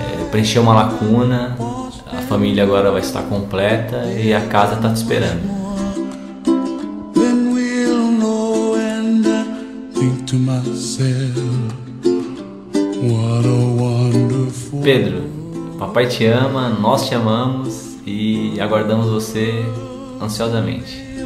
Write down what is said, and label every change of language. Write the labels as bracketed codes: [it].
[pt] Preencher uma lacuna, a família agora vai estar completa e a casa está te esperando. [en] Then we'll know and think to myself, what a... [pt] Pedro, papai te ama, nós te amamos e aguardamos você ansiosamente.